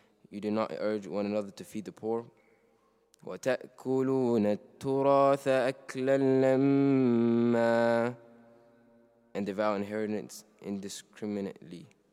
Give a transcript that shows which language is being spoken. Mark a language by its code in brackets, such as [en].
[en] You do not urge one another to feed the poor. [ar] وتأكلون التراث أكلا لما. [en] And devour inheritance indiscriminately.